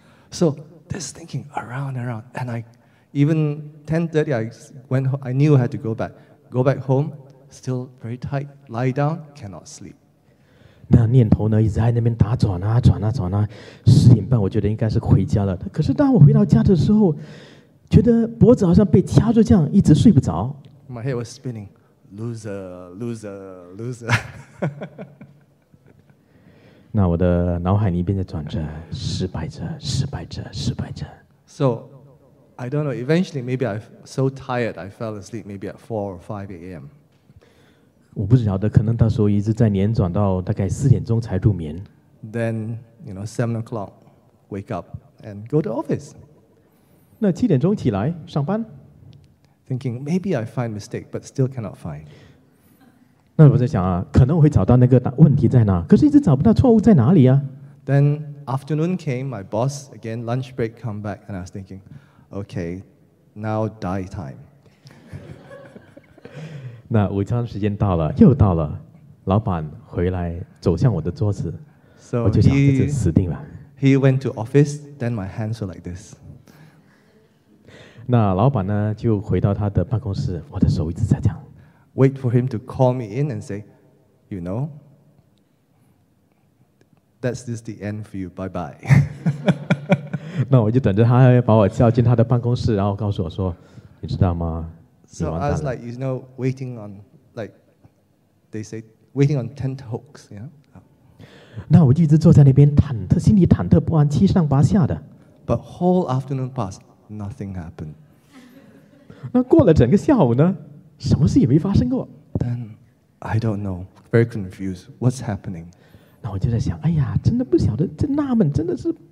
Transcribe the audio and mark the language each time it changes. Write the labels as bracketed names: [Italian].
[English] So this thinking around and around, and I even 10:30 I went home, I knew I had to go back home, still very tight, lie down, cannot sleep. [Chinese] 那念头呢一直在那边打转啊转啊转啊，十点半我觉得应该是回家了，可是当我回到家的时候觉得脖子好像被掐住这样一直睡不着。 [English] My head was spinning. Loser, loser, loser. [Chinese] 那我的脑海里边在转着失败者失败者失败者。 [English] So I don't know, eventually maybe I'm so tired I fell asleep maybe at 4 or 5 a.m. [Chinese] 我不晓得可能到时候一直在连转到大概四点钟才入眠。 [English] Then, you know, 7 o'clock wake up and go to office. [Chinese] 那七点钟起来上班 [English] thinking maybe I find mistake but still cannot find. [Chinese] 那我在想啊，可能我会找到那个问题在哪，可是一直找不到错误在哪里啊。 [English] Then afternoon came, my boss again lunch break come back and I was thinking,Okay, now die time. [Chinese] 那午餐时间到了，又到了，老板回来走向我的桌子， [English] so、 [Chinese] 我就想这次死定了。 [English] He went to office, then my hands were like this. [Chinese] 那老板呢就回到他的办公室，我的手一直在这样。 [English] Wait for him to call me in and say, you know, that's just the end for you. Bye bye. [Chinese] 那我就等着他把我叫进他的办公室，然后告诉我说：“你知道吗？” [English] So I was like, you know, waiting on, like they say, waiting on tenterhooks, you know. [Chinese] 那我就一直坐在那边忐忑，心里忐忑不安，七上八下的。 [English] But whole afternoon passed, nothing happened. [Chinese] 那过了整个下午呢，什么事也没发生过。 [English] Then I don't know, very confused, what's happening? [Chinese] 那我就在想，哎呀，真的不晓得，真纳闷，真的是。